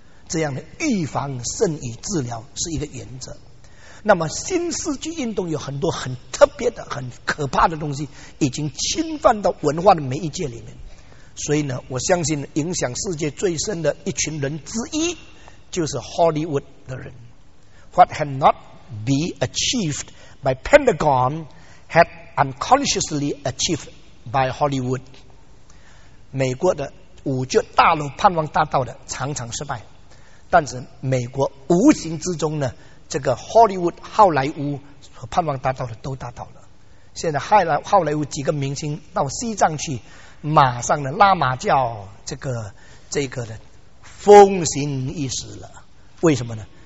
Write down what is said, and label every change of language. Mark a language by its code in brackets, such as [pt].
[zh] 这样的预防胜于治疗是一个原则。那么新世纪运动有很多很特别的、很可怕的东西已经侵犯到文化的每一界里面，所以呢，我相信影响世界最深的一群人之一就是 Hollywood 的人。 [en] What had not been achieved by Pentagon had unconsciously achieved by Hollywood。 [zh] 美国的五角大楼盼望达到的常常失败，但是美国无形之中呢，这个 Hollywood 好莱坞所盼望达到的都达到了。现在好莱坞几个明星到西藏去，马上呢拉玛教这个呢风行一时了。为什么呢？